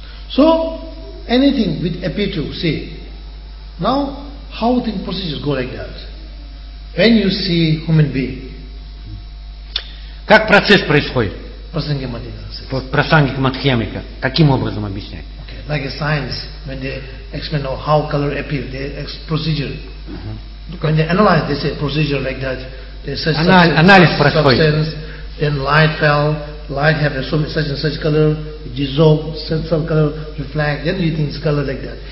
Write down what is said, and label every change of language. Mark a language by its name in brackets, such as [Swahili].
[English] So, anything with appear to see. Now, how the procedures go like that? When you see human being. [Russian] Как процесс происходит? [Sanskrit] Prasangya Madhyamika. Prasangya Madhyamika. [Russian] Каким образом объяснять? [English] Okay. Like a science, when they explain how color appears, they procedure. When they analyze, they say procedure like that. They search analysis substance, substance, then light fell. Light have assumed such and such color, dissolve, sense of color, reflect, then you think it's color like that.